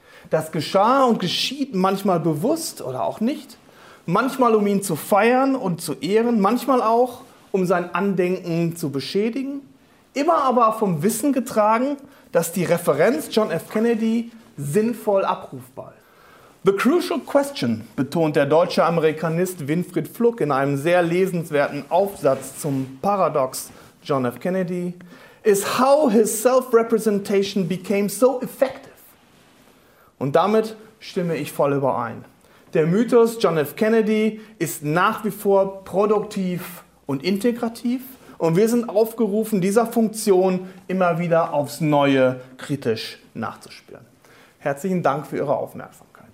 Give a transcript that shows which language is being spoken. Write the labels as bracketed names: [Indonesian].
[German] Das geschah und geschieht manchmal bewusst oder auch nicht, manchmal um ihn zu feiern und zu ehren, manchmal auch um sein Andenken zu beschädigen, immer aber vom Wissen getragen, dass die Referenz John F. Kennedy sinnvoll abrufbar ist. [English] The crucial question, [German] betont der deutsche Amerikanist Winfried Fluck in einem sehr lesenswerten Aufsatz zum Paradox John F. [English] Kennedy, is how his self-representation became so effective. [German] Und damit stimme ich voll überein. Der Mythos John F. Kennedy ist nach wie vor produktiv und integrativ. Und wir sind aufgerufen, dieser Funktion immer wieder aufs Neue kritisch nachzuspüren. Herzlichen Dank für Ihre Aufmerksamkeit.